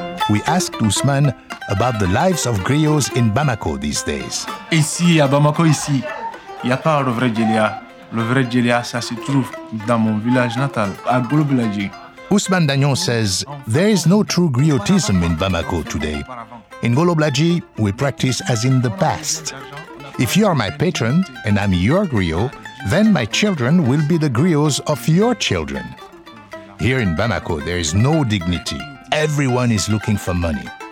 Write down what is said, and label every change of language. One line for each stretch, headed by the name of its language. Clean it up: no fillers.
English: We asked Ousmane about the lives of griots in Bamako these days.
French: Ici, à Bamako, ici, il n'y a pas le vrai Jelia. Le vrai Jelia, ça se trouve dans mon village natal, à Golo Blaji.
English: Ousmane Dagnon says, there is no true griotism in Bamako today. In Golo Blaji, we practice as in the past. If you are my patron and I'm your griot, then my children will be the griots of your children. Here in Bamako, there is no dignity. Everyone is looking for money.